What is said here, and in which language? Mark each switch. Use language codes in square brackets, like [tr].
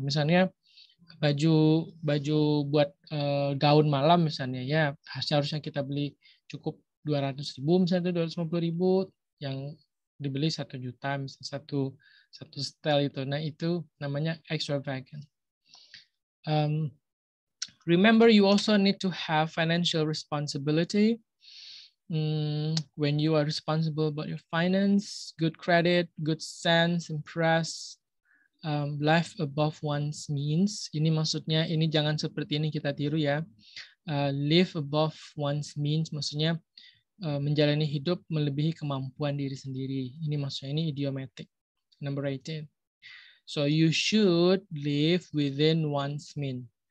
[id] Misalnya baju buat gaun malam misalnya ya, harusnya kita beli cukup 200.000 misalnya, 250.000, yang dibeli 1 juta misalnya, satu setel itu. Nah, itu namanya extravagant. [en] Remember, you also need to have financial responsibility. When you are responsible about your finance, good credit, good sense, impress, life above one's means. [id] Ini maksudnya, ini jangan seperti ini kita tiru ya. [en] Live above one's means, [id] maksudnya menjalani hidup melebihi kemampuan diri sendiri. Ini maksudnya, ini idiomatic. [en] Number 18. So you should live within one's means.